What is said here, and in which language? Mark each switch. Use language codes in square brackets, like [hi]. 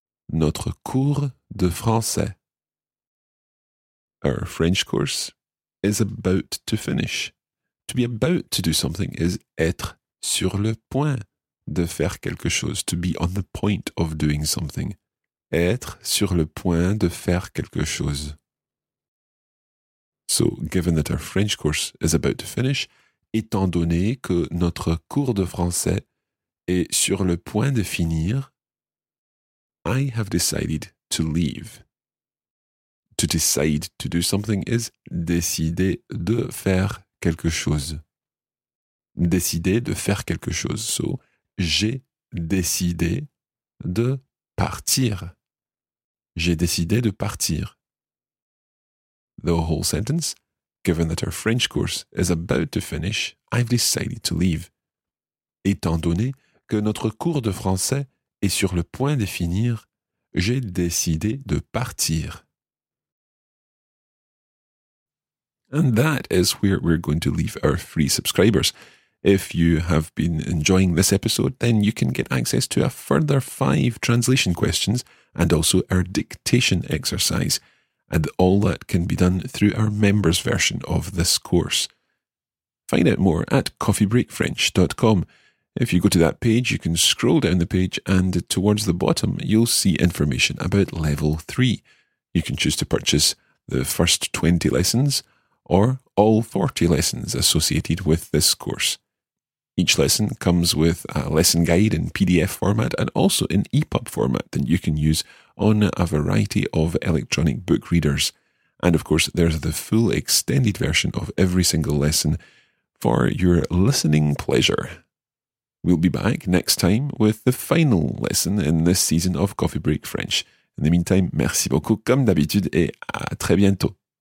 [fr] Notre cours de français. [en] Our French course is about to finish. To be about to do something is [fr] être sur le point de faire quelque chose. [en] To be on the point of doing something. [fr] Être sur le point de faire quelque chose. [en] So, given that our French course is about to finish, [fr] étant donné que notre cours de français est sur le point de finir, [en] I have decided to leave. To decide to do something is [fr] décider de faire quelque chose. Décider de faire quelque chose. So, j'ai décidé de partir. J'ai décidé de partir. [en] The whole sentence, given that our French course is about to finish, I've decided to leave. [fr] Étant donné que notre cours de français est sur le point de finir, j'ai décidé de partir. [en] And that is where we're going to leave our free subscribers. If you have been enjoying this episode, then you can get access to a further 5 translation questions and also our dictation exercise. And all that can be done through our members' version of this course. Find out more at coffeebreakfrench.com. If you go to that page, you can scroll down the page and towards the bottom, you'll see information about Level 3. You can choose to purchase the first 20 lessons or all 40 lessons associated with this course. Each lesson comes with a lesson guide in PDF format and also in EPUB format that you can use on a variety of electronic book readers. And of course, there's the full extended version of every single lesson for your listening pleasure. We'll be back next time with the final lesson in this season of Coffee Break French. In the meantime, [fr] merci beaucoup comme d'habitude et à très bientôt.